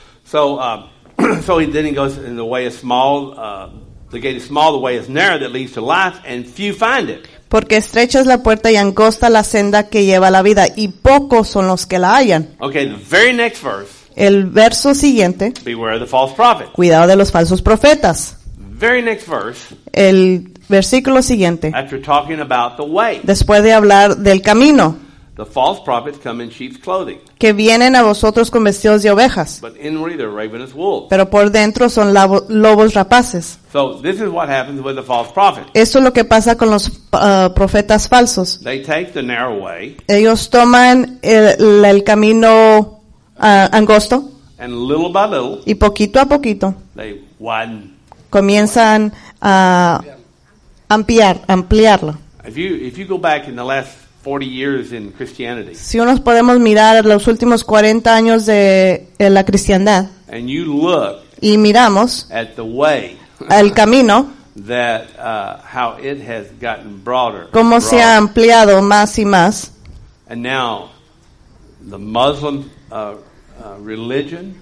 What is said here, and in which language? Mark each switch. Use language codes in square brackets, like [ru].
[en] So then he goes, and the way is small, the gate is small, the way is narrow that leads to life, and few find it. [es] Porque estrecha es la puerta y angosta la senda que lleva la vida, y pocos son los que la hallan. [en] Okay, the very next verse. [es] El verso siguiente. [en] Beware of the false prophets. [es] Cuidado de los falsos profetas. [en] Very next verse. [es] El versículo siguiente. [en] After talking about the way. [es] Después de hablar del camino. [en] The false prophets come in sheep's clothing. [es] Que vienen a vosotros con vestidos de ovejas. [en] But inwardly they're ravenous wolves. [es] Pero por dentro son lobos rapaces. [en] So this is what happens with the false prophets. [es] Esto es lo que pasa con los profetas falsos. [en] They take the narrow way. [es] Ellos toman el camino angosto. [en] And little by little. [es] Y poquito a poquito. [en] They widen. [es] Comienzan a ampliarlo. [en] If you go back in the last 40 years in Christianity. [es] Si uno podemos mirar los últimos 40 años de la cristiandad. [en] And you look. [es] Y miramos. [en] At the way. [es] El camino. [en] That how it has gotten broader. [es] Cómo se ha ampliado más y más. [en] And now the Muslim religion.